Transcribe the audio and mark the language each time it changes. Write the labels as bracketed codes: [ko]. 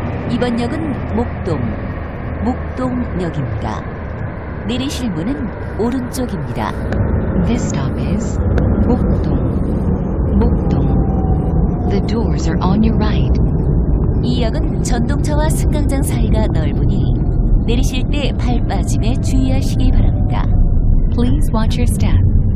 [ko] 이번 역은 목동역입니다. 내리실 문은 오른쪽입니다. [en] This stop is 목동. [ko] 목동. [en] The doors are on your right. [ko] 이 역은 전동차와 승강장 사이가 넓으니 내리실 때 발 빠짐에 주의하시기 바랍니다. [en] Please watch your step.